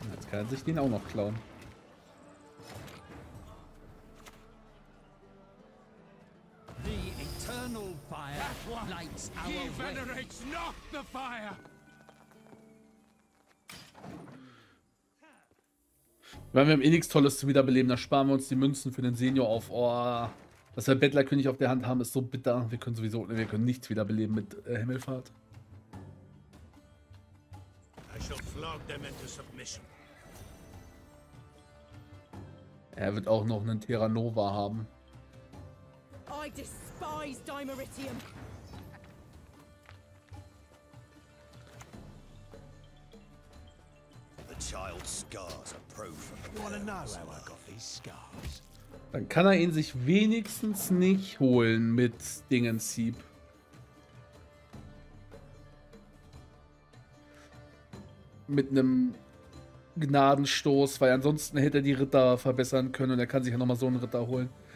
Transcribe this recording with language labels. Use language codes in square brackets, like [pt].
[de] Kann sich den auch noch klauen. [en] The eternal fire lights our way. He venerates not the fire. [de] Wenn wir haben eh nichts Tolles zu wiederbeleben, dann sparen wir uns die Münzen für den Senior auf. Oh, dass wir Bettlerkönig auf der Hand haben, ist so bitter. Wir können sowieso, wir können nichts wiederbeleben mit Himmelfahrt. [en] I shall flog them into submission. [de] Er wird auch noch einen Terra Nova haben. [en] I despise Dimeritium. The child's scars are proof. You wanna know how I got these scars? [de] Dann kann er ihn sich wenigstens nicht holen mit Dingensieb. Mit einem Gnadenstoß, weil ansonsten hätte er die Ritter verbessern können und er kann sich ja nochmal so einen Ritter holen.